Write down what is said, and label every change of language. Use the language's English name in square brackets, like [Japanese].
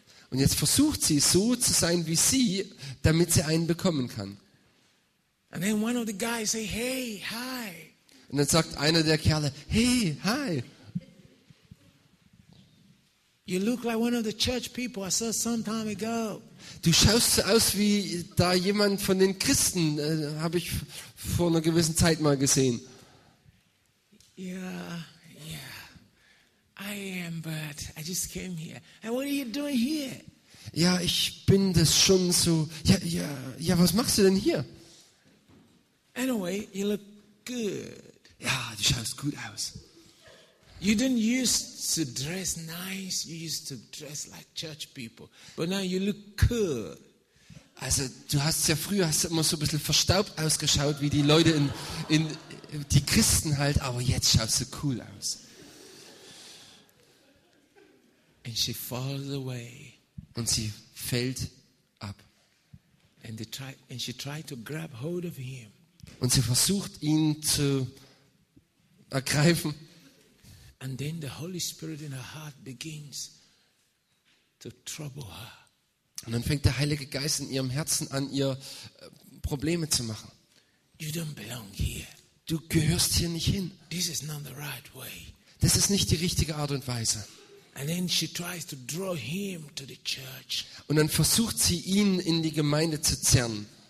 [German] Und jetzt versucht sie, so zu sein wie sie, damit sie einen bekommen kann. [English] And then one of the guys say, hey, hi. [German] Und dann sagt einer der Kerle, hey, hi. [English] You look like one of the church people I saw some time ago. [German] Du schaust so aus wie da jemand von den Christen, habe ich vor einer gewissen Zeit mal gesehen. [English] Ja. Yeah. I am, but I just came here. And what are you doing here? [German] Ja, ich bin das schon so. Ja, ja, ja, was machst du denn hier? [English] Anyway, you look good. [German] Ja, du schaust gut aus. [English] You didn't used to dress nice. You used to dress like church people. But now you look cool. [German] Also, du hast ja früher hast immer so ein bisschen verstaubt ausgeschaut, wie die Leute in die Christen halt, aber jetzt schaust du cool aus. [English] And she falls away. [German] Und sie fällt ab. [English] And she tried to grab hold of him. [German] Und sie versucht ihn zu ergreifen. [English] And then the Holy Spirit in her heart begins to trouble her. [German] Und dann fängt der Heilige Geist in ihrem Herzen an, ihr Probleme zu machen. [English] You don't belong here. [German] Du gehörst hier nicht hin. [English] This is not the right way. [German] Das ist nicht die richtige Art und Weise. [English] And then she tries to draw him to the church. [German] Und dann versucht sie ihn in die Gemeinde zu zerren.